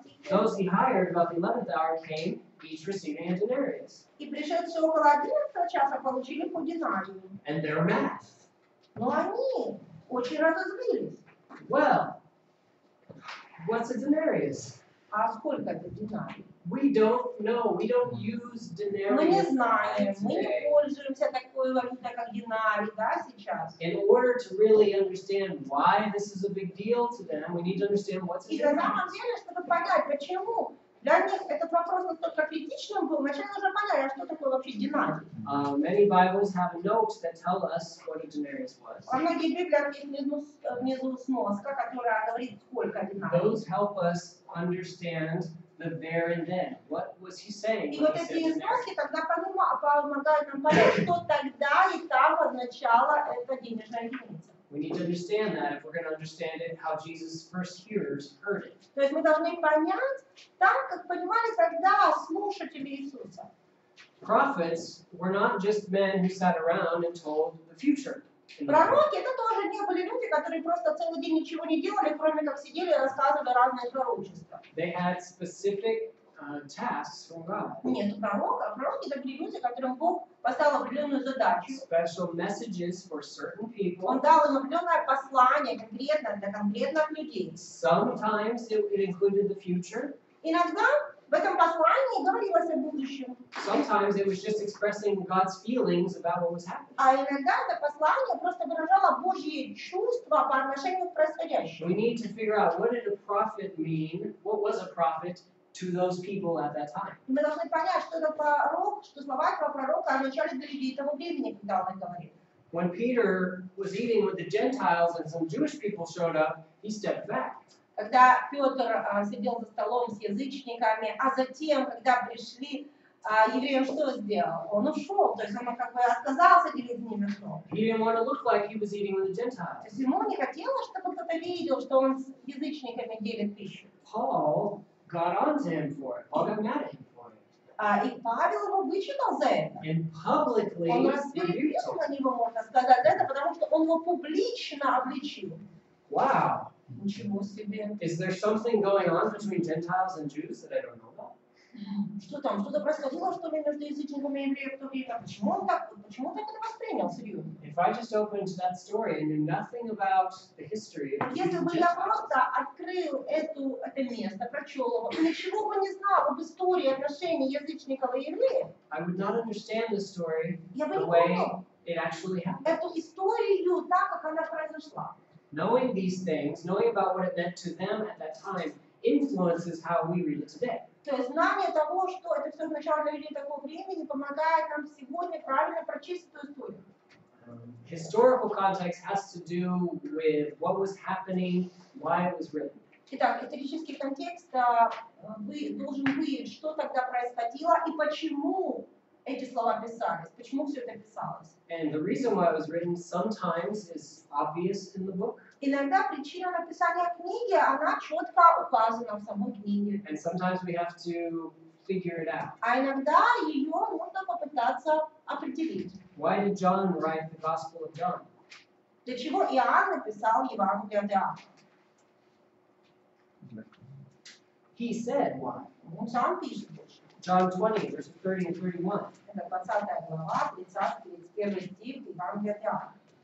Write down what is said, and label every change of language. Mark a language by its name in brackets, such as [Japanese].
[English] those he hired about the 11th hour came, each receiving a denarius. [Russian] И пришедшие около 11 часа получили по динарию. [English] And they're mad. [Russian] Но они очень разозлились. [English] Well, what's a denarius? [Russian] А сколько это динарий? [English] We don't know. We don't use denarius. [Russian] Мы не знаем. Мы не пользуемся такой валютой, как динарий, да, сейчас. [English] In order to really understand why this is a big deal to them, we need to understand what's the difference. [Russian] И на самом деле, чтобы понять, почему для них этот вопрос настолько критичным был, вначале нужно понять, а что такое вообще динарий. [English] Many Bibles have notes that tell us what a denarius was. [Russian] А многие библии внизу сноска, которая говорит, сколько динарий. [English] Those help us understand the there and then. What was he saying? [Russian] И вот эти сноски тогда помогают нам понять, что тогда и там означало это денежная единица. [English] We need to understand that if we're going to understand it, how Jesus' first hearers heard it. [Russian] То есть мы должны понять, так как понимали тогда слушатели Иисуса. [English] Prophets were not just men who sat around and told the future. [Russian] Пророки это тоже не были люди, которые просто целый день ничего не делали, кроме как сидели и рассказывали разные пророчества. [English] They had specific tasks from God. [Russian] Нет, пророки это были люди, которым Бог поставил определенную задачу. [English] Special messages for certain people. [Russian] Он дал им определенное послание конкретно для конкретных людей. [English] Sometimes it included the future. [Russian] Иногда в этом послании говорилось о будущем. [English] Sometimes it was just expressing God's feelings about what was happening. [Russian] А иногда это послание просто выражало Божьи чувства по отношению к происходящему. [English] We need to figure out what did a prophet mean? What was a prophet? To those people at that time. [Russian] Мы должны понять, что это пророк, что слова этого пророка означали для людей того времени, когда он говорил. [English] When Peter was eating with the Gentiles and some Jewish people showed up, he stepped back. [Russian] Когда Петр сидел за столом с язычниками, а затем, когда пришли евреи, он что сделал? Он ушел, то есть он как бы отказался делить с ними что? [English] He didn't want to look like he was eating with the Gentiles. [Russian] То есть ему не хотелось, чтобы кто-то видел, что он с язычниками делит пищу. [English] Paul got on to him for it. Paul got mad at him for it. [Russian] И Павел его вычитал за это. [English] And publicly [Russian] он рассверепел на него, можно сказать, это, потому что он его публично обличил. [English] Wow. [Russian] Ничего себе. [English] Is there something going on between Gentiles and Jews that I don't know about? [Russian] Что там? Что-то происходило, что между язычниками и евреями в то время? Почему он так это воспринял серьезно? [English] If I just opened that story and knew nothing about the history of the Gentiles. [Russian] Если бы я просто открыл это место, прочел его, и ничего бы не знал об истории отношений язычников и евреев. [English] I would not understand the story the way it actually happened. [Russian] Эту историю так, как она произошла. [English] Knowing these things, knowing about what it meant to them at that time, influences how we read it today. [Russian] То есть знание того, что это все означало для людей такого времени, помогает нам сегодня правильно прочесть эту историю. [English] Historical context has to do with what was happening, why it was written. [Russian] Итак, исторический контекст должен быть, что тогда происходило и почему эти слова писались, почему все это писалось. [English] And the reason why it was written sometimes is obvious in the book. [Russian] Иногда причина написания книги, она четко указана в самой книге. [English] And sometimes we have to figure it out. [Russian] А иногда ее нужно попытаться определить. [English] Why did John write the Gospel of John? [Russian] Для чего Иоанн написал Евангелие от Иоанна? [English] He said why. [Russian] Сам пишет больше. [English] John 20, verses 30 and 31. [Russian] Это 20 глава, 30-31 стих Евангелия от Иоанна.